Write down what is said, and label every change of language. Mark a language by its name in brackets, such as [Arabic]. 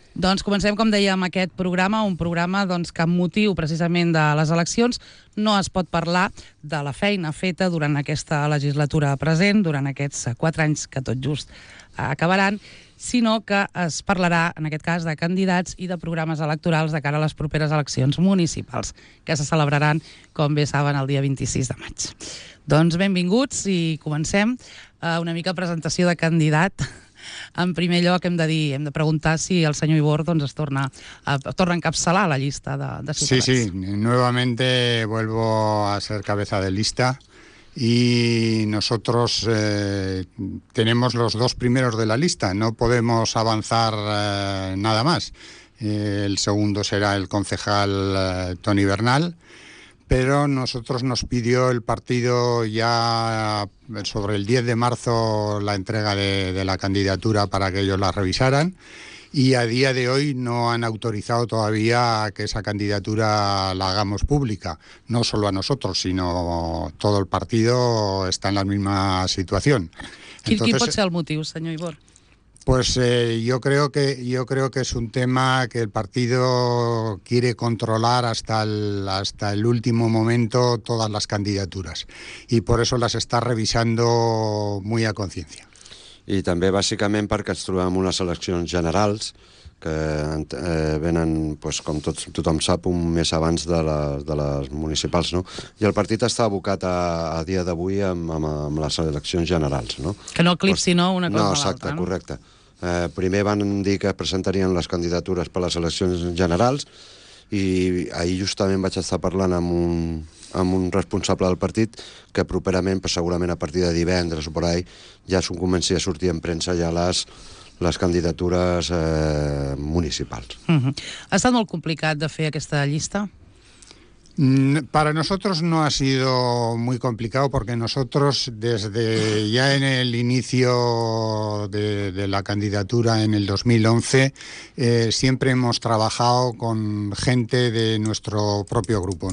[Catalan] Doncs comencem, com dèiem, aquest programa, un programa doncs, que amb motiu precisament de les eleccions no es pot parlar de la feina feta durant aquesta legislatura present, durant aquests 4 anys que tot just acabaran, sinó que es parlarà, en aquest cas, de candidats i de programes electorals de cara a les properes eleccions municipals, que se celebraran, com bé saben, el dia 26 de maig. Doncs benvinguts i comencem. Una mica presentació de candidat. En primer lloc, hem de preguntar si el senyor Ibor doncs, torna a encapçalar la llista de Ciutadans. Sí, sí. [Spanish] Nuevamente vuelvo a ser cabeza de lista. Y nosotros tenemos los dos primeros de la lista, no podemos avanzar nada más. El segundo será el concejal Toni Bernal, pero nosotros nos pidió el partido ya sobre el 10 de marzo la entrega de la candidatura para que ellos la revisaran. Y a día de hoy no han autorizado todavía que esa candidatura la hagamos pública. No solo a nosotros, sino todo el partido está en la misma situación. ¿Qué puede ser el motivo, señor Ibor? Pues yo creo que es un tema que el partido quiere controlar hasta el último momento todas las candidaturas. Y por eso las está revisando muy a conciencia. [Catalan] I també bàsicament perquè ens trobem unes eleccions generals que venen, pues, com tothom sap, un mes abans de les municipals, no? I el partit està abocat a dia d'avui amb les eleccions generals, no? Que no eclipsi, no, una cosa no, exacte, a l'altra, no? Correcte. Primer van dir que presentarien les candidatures per les eleccions generals i ahir justament vaig estar parlant amb un responsable del partit que properament, però segurament a partir de divendres o per ahí, ja s'ho comenci a sortir en premsa ja les candidatures municipals. Uh-huh. Ha estat molt complicat de fer aquesta llista? [Spanish] Para nosotros no ha sido muy complicado porque nosotros desde ya en el inicio de la candidatura en el 2011 siempre hemos trabajado con gente de nuestro propio grupo.